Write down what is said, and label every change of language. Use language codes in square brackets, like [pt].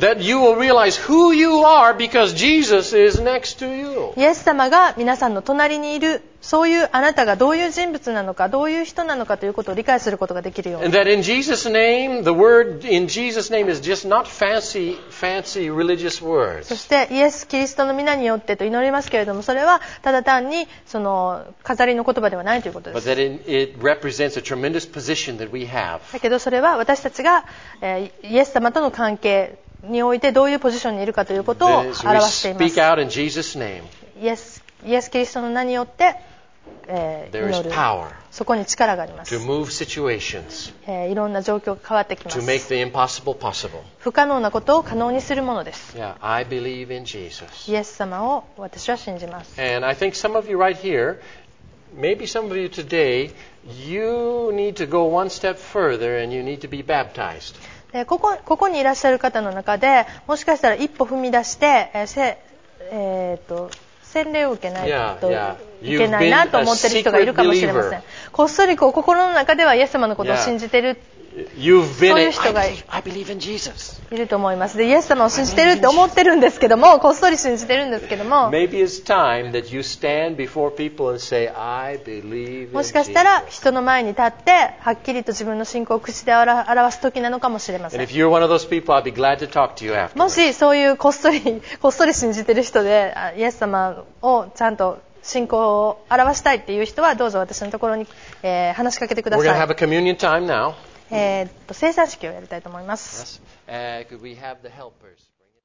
[en] That you will realize who you are because Jesus is next to you. [ja] イエス様が皆さんの隣にいる。そういうあなたがどういう人物なのかどういう人なのかということを理解することができるように。 [en] And that in Jesus' name, the word in Jesus' name is just not fancy, fancy religious words. [ja] そしてイエス・キリストの名によってと祈りますけれども、それはただ単にその飾りの言葉ではないということです。 [en] But that it represents a tremendous position that we have. [ja] だけどそれは私たちがイエス様との関係においてどういうポジションにいるかということを表しています。 [en] We speak out in Jesus' name. [ja] イエス。イエス・キリストの名によって、祈る。そこに力があります。 [en] To move situations. [ja] いろんな状況が変わってきます。 [en] To make the impossible possible. [ja] 不可能なことを可能にするものです。 [en] Yeah, I believe in Jesus. [ja] イエス様を私は信じます。 [en] And I think some of you right here, maybe some of you today, you need to go one step further and you need to be baptized. [ja] で、ここにいらっしゃる方の中で、もしかしたら一歩踏み出して、洗礼を受けないといけないなと思っている人がいるかもしれません。こっそりこう心の中ではイエス様のことを信じているそういう人がいると思います。でイエス様を信じているって思ってるんですけどもこっそり信じているんですけどももしかしたら人の前に立ってはっきりと自分の信仰を口で表す時なのかもしれません。もしそういうこっそり信じている人でイエス様をちゃんと信仰を表したいっていう人はどうぞ私のところに、話しかけてください。 [en] We're going to have a communion time now. [ja] 聖餐式をやりたいと思います。 [en] Could we have the helpers?